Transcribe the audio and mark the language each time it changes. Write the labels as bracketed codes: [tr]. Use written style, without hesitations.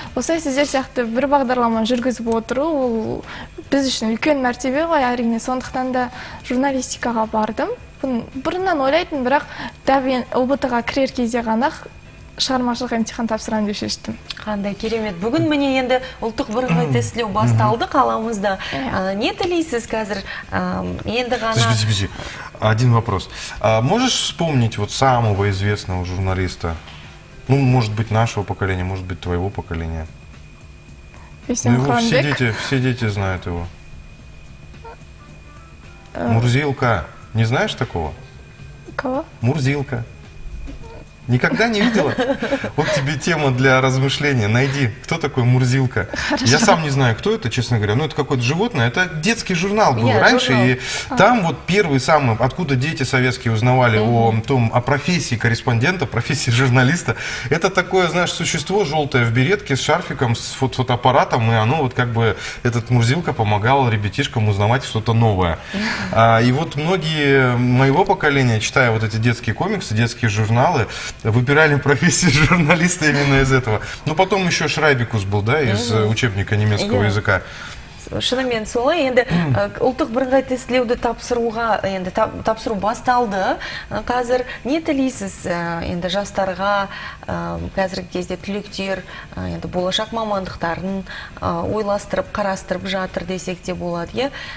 [kk] Осылай сіздер сияқты бір бағдарлама жүргізіп отыру, ол біз үшін үлкен мәртебе ғой әрине, сондықтан да журналистикаға бардым. мүмкін бұрыннан ойлайтын, бірақ дәвен ұбытыға кірер кезде ғана шығармашылық емтихан тапсырам деп шештім. Қандай керемет. Бүгін міне енді ұлттық бірыңғай тестілеу басталды қаламызда. Не тілейсіз қазір енді ғана? [ru] Бізі. Один вопрос. Можешь вспомнить вот самого известного журналиста? Ну, может быть, нашего поколения, может быть, твоего поколения. Ну, его все дети знают его. Мурзилка. Не знаешь такого? Кого? Мурзилка. Никогда не видела? Вот тебе тема для размышления. Найди, кто такой Мурзилка. Хорошо. Я сам не знаю, кто это, честно говоря. Ну, это какое-то животное. Это детский журнал был раньше. Журнал. И там вот первый самый, откуда дети советские узнавали о профессии корреспондента, профессии журналиста. Это такое, знаешь, существо желтое в беретке с шарфиком, с фотоаппаратом. И оно вот как бы, этот Мурзилка помогал ребятишкам узнавать что-то новое. И вот многие моего поколения, читая вот эти детские комиксы, детские журналы, выбирали профессию журналиста именно из этого. Ну, потом еще Шрайбикус был, да, из учебника немецкого языка. [kk] Шынымен солай, енді ұлттық бірыңғай тестілеуді тапсыруға, енді тапсыру басталды. Қазір не тілейсіз енді жастарға, қазіргі кезде түлектер, енді болашақ мамандықтарын ойластырып, қарастырып жатыр десек те болады, е?